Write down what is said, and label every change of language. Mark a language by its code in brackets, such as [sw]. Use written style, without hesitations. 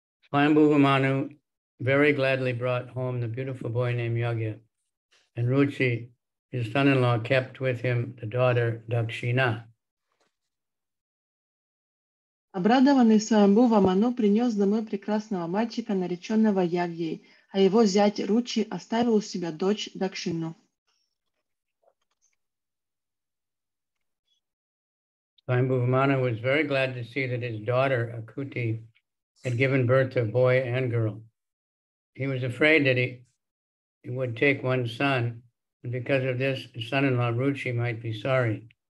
[en] Swayam Bhuva Manu very gladly brought home the beautiful boy named Yagya, and Ruchi, his son-in-law, kept with him the daughter Dakshina. [ru] Обрадованный Swayam Bhuva Manu принес домой прекрасного мальчика, нареченного Ягьей, а его зять Ручи оставил у себя дочь Дакшину. [en] Swayam Bhuva Manu was very glad to see that his daughter Akuti had given birth to a boy and girl. He was afraid that he would take one son, and because of this, his son-in-law Ruchi might be sorry.